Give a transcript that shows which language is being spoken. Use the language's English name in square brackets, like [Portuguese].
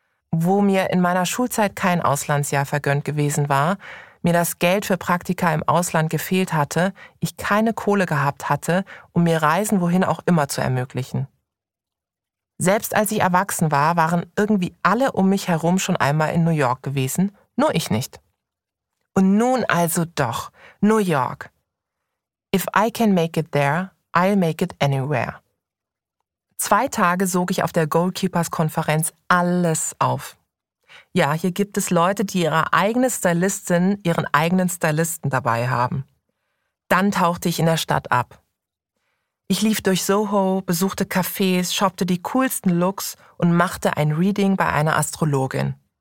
[German] Wo mir in meiner Schulzeit kein Auslandsjahr vergönnt gewesen war, mir das Geld für Praktika im Ausland gefehlt hatte, ich keine Kohle gehabt hatte, um mir Reisen wohin auch immer zu ermöglichen. Selbst als ich erwachsen war, waren irgendwie alle um mich herum schon einmal in New York gewesen, nur ich nicht. Und nun also doch, New York. [English] If I can make it there, I'll make it anywhere. [German] 2 Tage sog ich auf der Goalkeepers-Konferenz alles auf. Ja, hier gibt es Leute, die ihre eigene Stylistin, ihren eigenen Stylisten dabei haben. Dann tauchte ich in der Stadt ab. Ich lief durch Soho, besuchte Cafés, shoppte die coolsten Looks und machte ein Reading bei einer Astrologin.